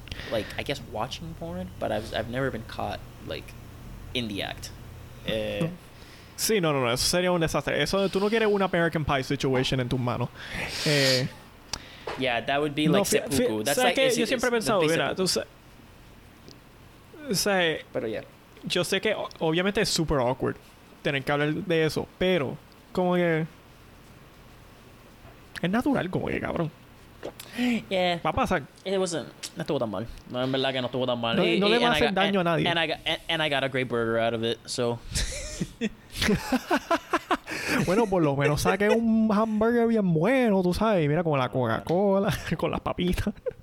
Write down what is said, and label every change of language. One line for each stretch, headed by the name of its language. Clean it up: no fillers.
English: Like, I guess watching porn, but I've never been caught, like, in the act.
Spanish: Sí, no, eso sería un desastre. Eso, tú no quieres una American Pie situation en tus manos.
English: Yeah, that would be, like, no, seppuku.
Spanish: O sea, que yo siempre he pensado, mira, tú sabes... Pero, yeah. Yo sé que, obviamente, es
English: super awkward
Spanish: tener que hablar de eso, pero, como que... Es natural, como que, cabrón.
English: Yeah.
Spanish: Va a pasar. No estuvo tan mal. No, en verdad que no estuvo tan mal. No le va a hacer daño a nadie.
English: And I got a great burger out of it, so.
Spanish: Bueno, por lo menos saqué un hamburger bien bueno, tú sabes. Mira, con la Coca-Cola, con las papitas.